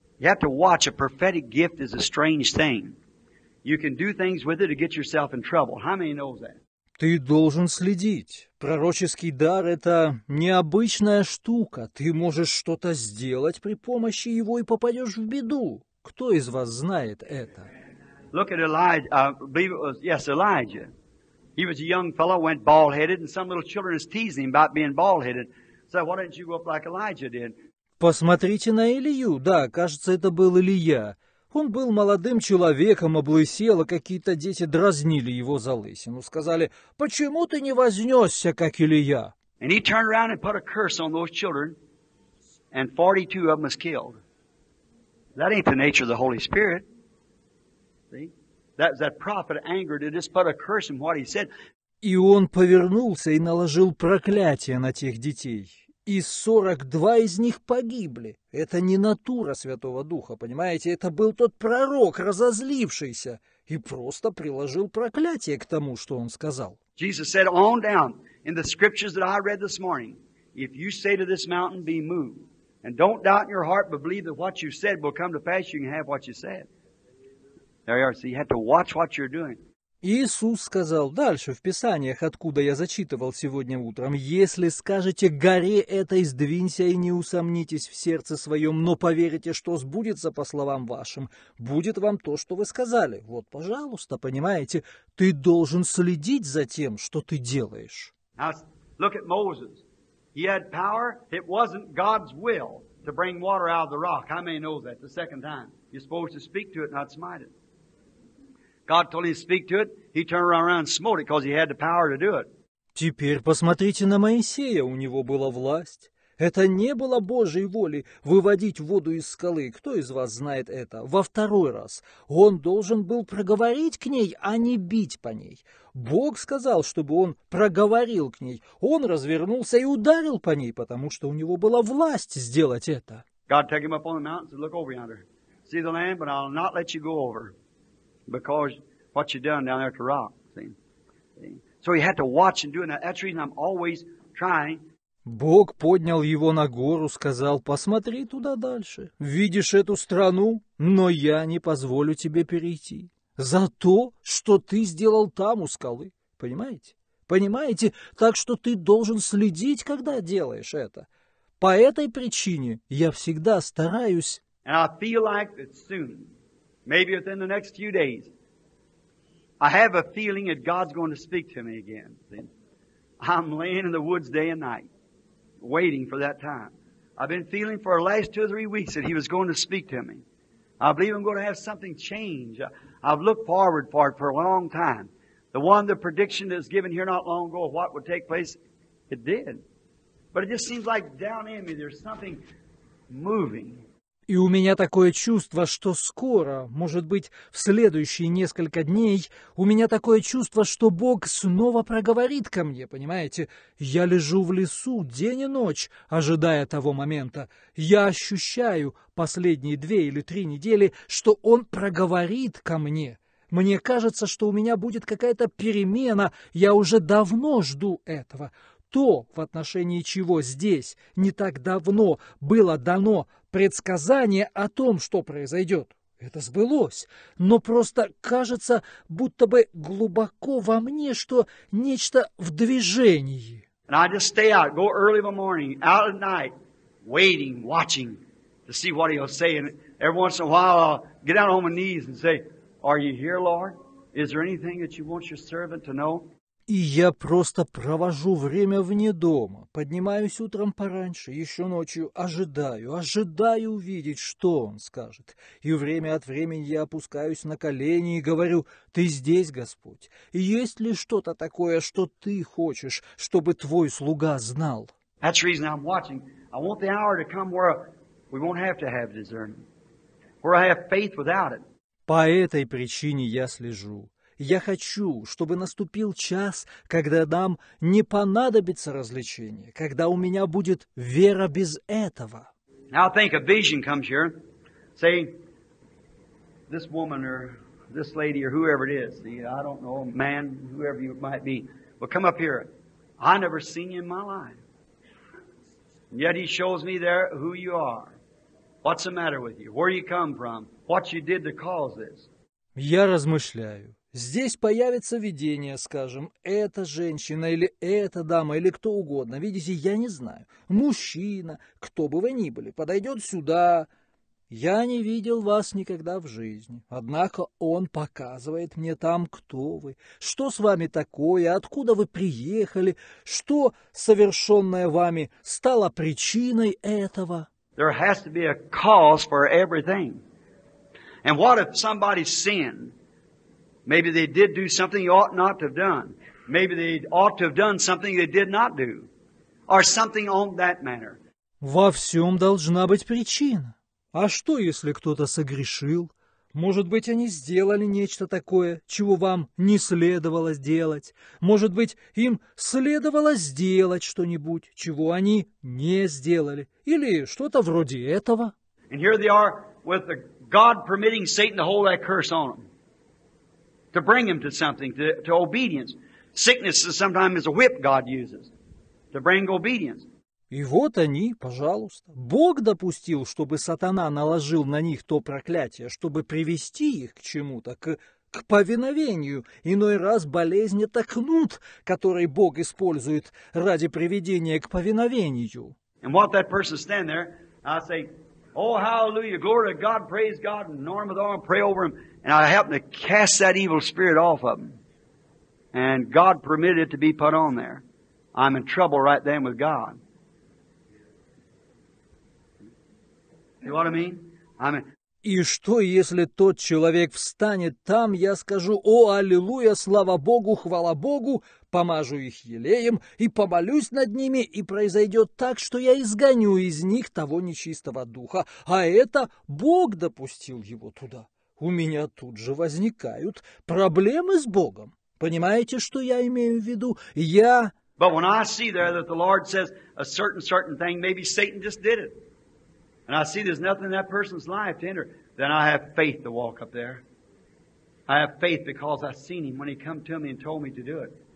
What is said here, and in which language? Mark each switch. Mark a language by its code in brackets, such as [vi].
[en] You have to watch, a prophetic gift is a strange thing. You can do things with it or get yourself in trouble. How many know that? [ru] Ты должен следить. Пророческий дар – это необычная штука. Ты можешь что-то сделать при помощи его и попадешь в беду. Кто из вас знает это? [en] Look at Elijah. Elijah. He was a young fellow, went bald-headed, and some little children is teasing him about being bald-headed. So why don't you go up like Elijah did? [ru] Посмотрите на Илью. Да, кажется, это был Илья. Он был молодым человеком, облысел, а какие-то дети дразнили его за лысину. Сказали, почему ты не вознесся, как Илья? [en] And he turned around and put a curse on those children, and 42 of them was killed. That ain't the nature of the Holy Spirit. See? That's that prophet anger to just put a curse on what he said. [ru] И он повернулся и наложил проклятие на тех детей. И 42 из них погибли. Это не натура Святого Духа, понимаете? Это был тот пророк, разозлившийся, и просто приложил проклятие к тому, что он сказал. [en] Jesus said on down in the scriptures that I read this morning, if you say to this mountain, be moved, and don't doubt in your heart, but believe that what you said will come to pass, you can have what you said. There you are. So you have to watch what you're doing. [ru] Иисус сказал дальше в Писаниях, откуда я зачитывал сегодня утром, «Если скажете горе этой, сдвинься и не усомнитесь в сердце своем, но поверите, что сбудется по словам вашим, будет вам то, что вы сказали». Вот, пожалуйста, понимаете, ты должен следить за тем, что ты делаешь. [en] Now, look at Moses. He had power. It wasn't God's will to bring water out of the rock. I may know that the second time. You're supposed to speak to it, not smite it. God told him to speak to it. He turned around and smote it because he had the power to do it. [ru] Теперь посмотрите на Моисея. У него была власть. Это не было Божьей воли выводить воду из скалы. Кто из вас знает это? Во второй раз. Он должен был проговорить к ней, а не бить по ней. Бог сказал, чтобы он проговорил к ней. Он развернулся и ударил по ней, потому что у него была власть сделать это. [en] God took him up on the mountain and said, look over yonder. See the land, but I'll not let you go over. Because what you done down there at the rock, see? So you had to watch and do it. Now, that's the reason I'm always trying. [ru] Бог поднял его на гору, сказал: «Посмотри туда дальше. Видишь эту страну? Но я не позволю тебе перейти. За то, что ты сделал там у скалы». Понимаете? Понимаете? Так что ты должен следить, когда делаешь это. По этой причине я всегда стараюсь. [en] And I feel like that soon, maybe within the next few days, I have a feeling that God's going to speak to me again. I'm laying in the woods day and night, waiting for that time. I've been feeling for the last two or three weeks that He was going to speak to me. I believe I'm going to have something change. I've looked forward for it for a long time. The one, the prediction that was given here not long ago of what would take place, it did. But it just seems like down in me there's something moving. [ru] И у меня такое чувство, что скоро, может быть, в следующие несколько дней, у меня такое чувство, что Бог снова проговорит ко мне, понимаете? Я лежу в лесу день и ночь, ожидая того момента. Я ощущаю последние две или три недели, что Он проговорит ко мне. Мне кажется, что у меня будет какая-то перемена, я уже давно жду этого. То, в отношении чего здесь не так давно было дано предсказание о том, что произойдет, это сбылось. Но просто кажется, будто бы глубоко во мне, что нечто в движении. [en] And I just stay out, go early in the morning, out at night, waiting, watching, to see what He'll say. And every once in a while, I'll get down on my knees and say, Are you here, Lord? Is there anything that you want your servant to know? [ru] И я просто провожу время вне дома, поднимаюсь утром пораньше, еще ночью ожидаю увидеть, что Он скажет. И время от времени я опускаюсь на колени и говорю: «Ты здесь, Господь? Есть ли что-то такое, что Ты хочешь, чтобы Твой слуга знал?» [en] That's the reason I'm watching. I want the hour to come where we won't have to have discernment, where I have faith without it. [ru] По этой причине я слежу. Я хочу, чтобы наступил час, когда нам не понадобится развлечение, когда у меня будет вера без этого. [en] Now think a vision comes here. Say, this woman or this lady or whoever it is, I don't know, man, whoever you might be, will come up here. I never seen you in my life. Yet he shows me there who you are. What's the matter with you? Where you come from? What you did to cause this? [ru] Я размышляю. Здесь появится видение, скажем, эта женщина или эта дама, или кто угодно, видите, я не знаю, мужчина, кто бы вы ни были, подойдет сюда. Я не видел вас никогда в жизни, однако он показывает мне там, кто вы, что с вами такое, откуда вы приехали, что совершенное вами стало причиной этого. [en] There has to be a cause for everything. And what if somebody sinned? Maybe they did do something you ought not to have done. Maybe they ought to have done something they did not do. Or something on that manner. [ru] Во всем должна быть причина. А что, если кто-то согрешил? Может быть, они сделали нечто такое, чего вам не следовало сделать. Может быть, им следовало сделать что-нибудь, чего они не сделали. Или что-то вроде этого. [en] And here they are with the God permitting Satan to hold that curse on them. To bring him to something, to obedience. Sickness sometimes is a whip God uses to bring obedience. [ru] И вот они, пожалуйста. Бог допустил, чтобы сатана наложил на них то проклятие, чтобы привести их к чему-то, к повиновению. Иной раз болезнь — это кнут, который Бог использует ради приведения к повиновению. [en] And while that person stand there, I say, Oh, hallelujah, glory to God, praise God, and arm with arm, pray over him. And I happen to cast that evil spirit off of him. And God permitted it to be put on there. I'm in trouble right then with God. You know what I mean? [ru] И что, если тот человек встанет там, я скажу, о, аллилуйя, слава Богу, хвала Богу, помажу их елеем и помолюсь над ними, и произойдет так, что я изгоню из них того нечистого духа. А это Бог допустил его туда. У меня тут же возникают проблемы с Богом. Понимаете, что я имею в виду? Я... [en] But when I see there that the Lord says a certain thing, maybe Satan just did it. And I see there's nothing in that person's life to enter. Then I have faith to walk up there. I have faith because I've seen him when he come to me and told me to do it.